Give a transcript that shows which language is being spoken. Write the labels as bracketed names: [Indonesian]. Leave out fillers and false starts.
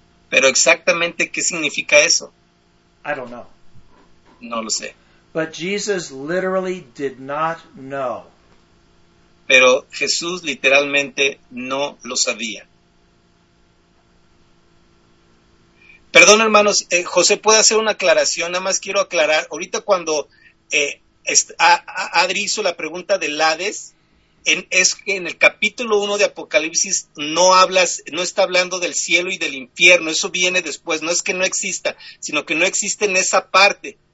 [Spanish] Pero exactamente, ¿qué significa eso? [English] I don't know. [Spanish] No lo sé. [English] But Jesus literally did not know. [Spanish] Pero Jesús literalmente no lo sabía. Perdón, hermanos, José, ¿puede hacer una aclaración? Nada más quiero aclarar. Ahorita cuando Adri hizo la pregunta del Hades, es que en el capítulo 1 de Apocalipsis no está hablando del cielo y del infierno, eso viene después, no es que no exista, sino que no existe en esa parte.